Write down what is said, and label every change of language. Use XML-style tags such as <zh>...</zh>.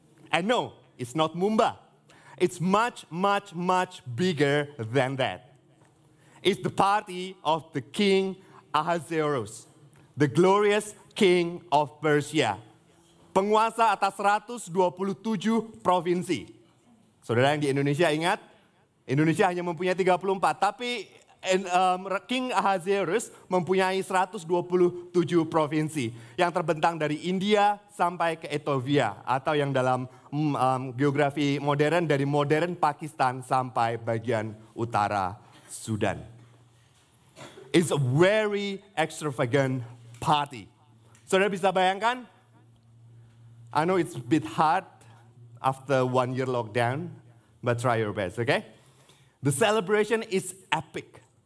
<en>And no, it's not Mumba. It's much, much, much bigger than that. It's the party of the King Ahasuerus, the glorious King of Persia.</en> <id>Penguasa atas 127 provinsi. Saudara yang di Indonesia ingat, Indonesia hanya mempunyai 34, tapi King Ahasuerus mempunyai 127 provinsi yang terbentang dari India sampai ke Ethiopia, atau yang dalam geografi modern dari modern Pakistan sampai bagian utara Sudan.</id> <en>It's a very extravagant party.</en> <id>Saudara bisa bayangkan?</id> <en>I know it's a bit hard after 1 year lockdown, but try your best, okay? The celebration is epic.</en>